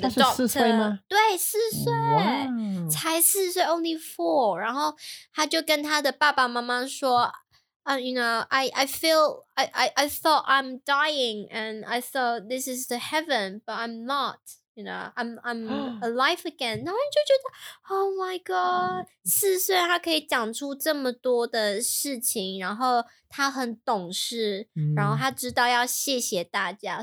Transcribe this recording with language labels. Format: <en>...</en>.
<zh>她是四岁吗？对，四岁，才四岁，</zh> <en>only four。</en> <zh>然后她就跟她的爸爸妈妈说。</zh> <en>you know, I thought I'm dying and I thought this is the heaven, but I'm not. You know, I'm alive again.</en> <zh>然后你就觉得 ，</zh> <en>Oh my god，</en> <zh>四岁他可以讲出这么多的事情，然后他很懂事，然后他知道要谢谢大家。</zh>